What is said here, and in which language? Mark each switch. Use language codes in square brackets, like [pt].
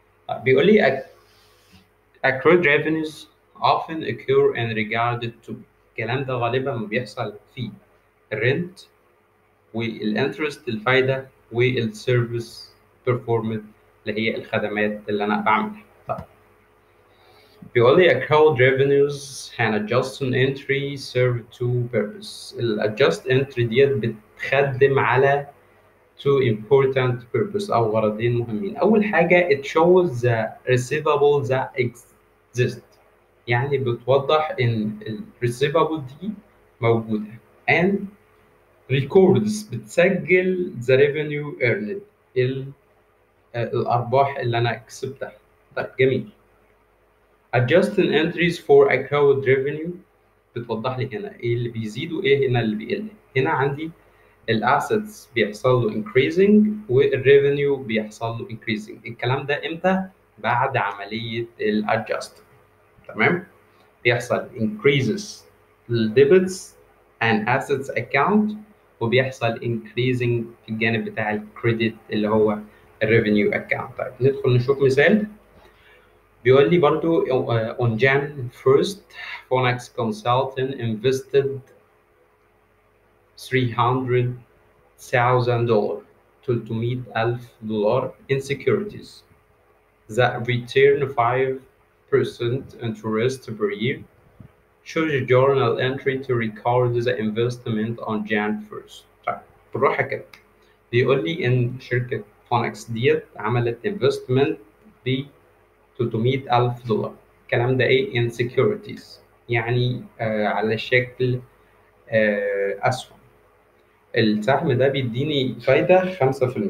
[ar] بيقول لي [en] accrued revenues often occur and regarded to، [ar] الكلام ده غالبا ما بيحصل في الرنت والانترست الفايده والسيرفيس بيرفورمد اللي هي الخدمات اللي انا بعملها. بيقول لي [en] accrued revenues and adjusting entry serve two purposes. [ar] ال adjust entry ديت بتخدم على [en] two important purposes [ar] أو غرضين مهمين. أول حاجة [en] it shows the receivables that exist، [ar] يعني بتوضح إن ال receivables دي موجودة، and records بتسجل [en] the revenue earned [ar] الأرباح اللي أنا كسبتها. طيب جميل. [en] Adjusting entries for accrued revenue [ar] بتوضح لي هنا ايه اللي بيزيد وايه هنا اللي بيقل. هنا عندي الـ assets بيحصل له increasing والـ revenue بيحصل له increasing. الكلام ده امتى؟ بعد عملية الـ adjust. تمام؟ بيحصل increases الـ debits [en] and assets account، [ar] وبيحصل increasing في الجانب بتاع الـ credit اللي هو الـ revenue account. طيب ندخل نشوف مثال. بيقول لي برضو [en] on Jan 1st Phonex consultant invested $300,000 $300,000 in securities that return 5% interest per year. Choose a journal entry to record the investment on Jan 1st. [ar] بروح كده بيقول لي ان شركة Phonex ديت عملت investment ب $300,000. الكلام ده ايه؟ in securities، يعني على شكل اسهم. السهم ده بيديني فايده 5%.